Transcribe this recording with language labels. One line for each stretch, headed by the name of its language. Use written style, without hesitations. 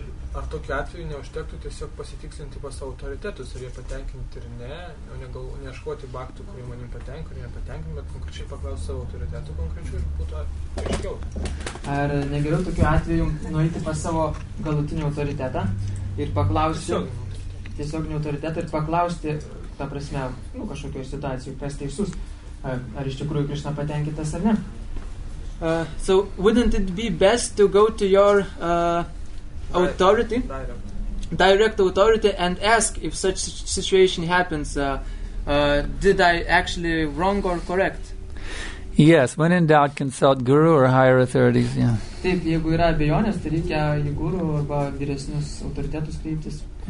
Lithuanian: Ar tokiu atveju neužtektų tiesiog pasitikslinti pas autoritetus, ar jie patenkinti ir ne, o neieškoti baktų, kurie manim patenkinti ir nepatenkinti, bet konkrečiai paklausti savo autoritetų konkrečiai ir būtų aiškiau. Ar negeriau tokiu atveju nueiti pas savo galutinį autoritetą ir paklausti tiesioginį autoritetą ir paklausti, ta prasme, nu, kažkokioj situacijoj, kas teisus, ar iš tikrųjų Krishna patenkintas ar ne?
English: So, wouldn't it be best to go to your... authority, direct authority, and ask if such situation happens, did I actually wrong or correct? Yes, when in doubt, consult guru or higher authorities. Yeah.
Lithuanian: Taip, jeigu yra abejonės, tai reikia į guru arba vyresnius autoritetus kreiptis.